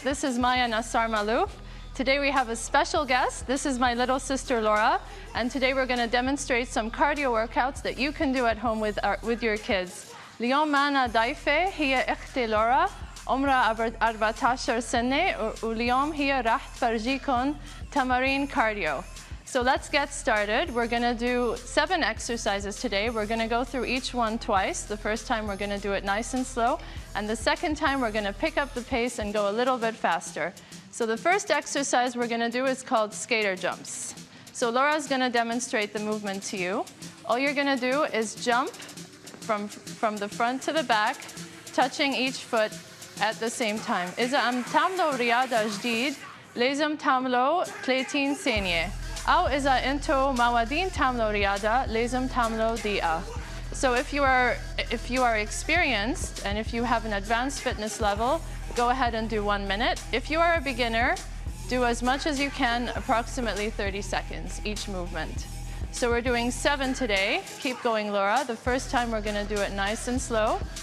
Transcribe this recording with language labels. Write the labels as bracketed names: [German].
[English] This is Maya Nassar Malouf. Today we have a special guest. This is my little sister, Laura. And today we're gonna demonstrate some cardio workouts that you can do at home with your kids. [Arabic] اليوم معنا ضيفة هي اختي لورا عمرها 14 سنة واليوم هي راح تفرجيكم تمارين كارديو. [English] So let's get started. We're gonna do 7 exercises today. We're gonna go through each one twice. The first time we're gonna do it nice and slow. And the second time we're gonna pick up the pace and go a little bit faster. So the first exercise we're gonna do is called skater jumps. So Laura's gonna demonstrate the movement to you. All you're gonna do is jump from the front to the back, touching each foot at the same time. [Arabic] إذا عم تعملوا رياضة جديد, لازم تعملوا 30 ثانية. أو إذا أنتوا موادين تعملوا رياضة, لازم تعملوا دقيقة. [English] So if you are experienced and if you have an advanced fitness level, go ahead and do 1 minute. If you are a beginner, do as much as you can, approximately 30 seconds each movement. So we're doing 7 today. Keep going, Laura. The first time we're gonna do it nice and slow.